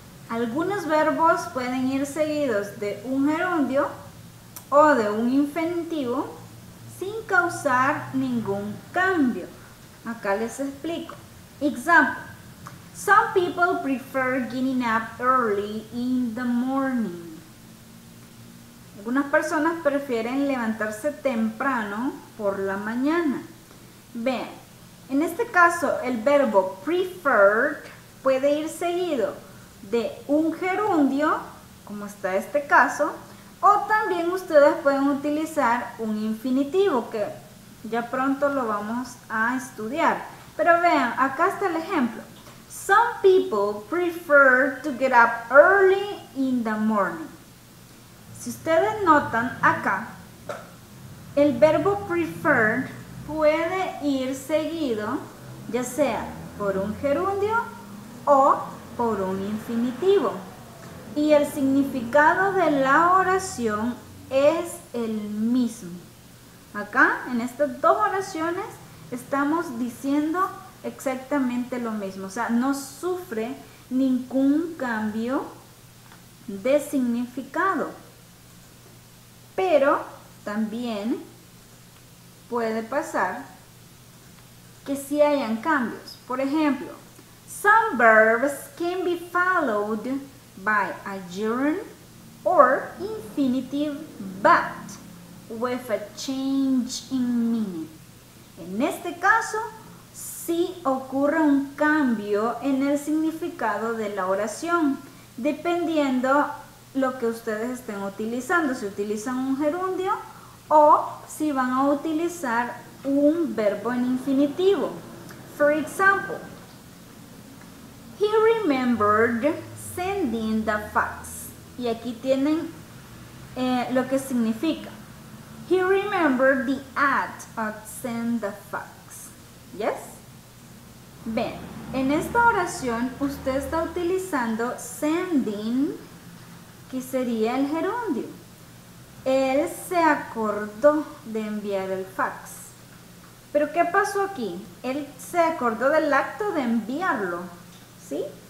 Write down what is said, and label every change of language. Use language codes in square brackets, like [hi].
[es] Algunos verbos pueden ir seguidos de un gerundio o de un infinitivo sin causar ningún cambio. Acá les explico. [en] Example, some people prefer getting up early in the morning. [es] Algunas personas prefieren levantarse temprano por la mañana. Vean, en este caso el verbo preferred puede ir seguido de un gerundio, como está este caso, o también ustedes pueden utilizar un infinitivo, que ya pronto lo vamos a estudiar. Pero vean, acá está el ejemplo. [en] Some people prefer to get up early in the morning. [es] Si ustedes notan acá, el verbo preferred puede ir seguido ya sea por un gerundio o por un infinitivo. Y el significado de la oración es el mismo. Acá, en estas dos oraciones, estamos diciendo exactamente lo mismo, o sea, no sufre ningún cambio de significado, pero también puede pasar que sí hayan cambios. Por ejemplo, [en] some verbs can be followed by a gerund or infinitive but with a change in meaning. [es] En este caso, sí ocurre un cambio en el significado de la oración, dependiendo lo que ustedes estén utilizando, si utilizan un gerundio o si van a utilizar un verbo en infinitivo. [en] For example, he remembered sending the fax. [es] Y aquí tienen lo que significa. [en] He remembered the act of send the fax. ¿Yes? [es] Bien, en esta oración usted está utilizando sending, que sería el gerundio. Él se acordó de enviar el fax. ¿Pero qué pasó aquí? Él se acordó del acto de enviarlo, ¿sí?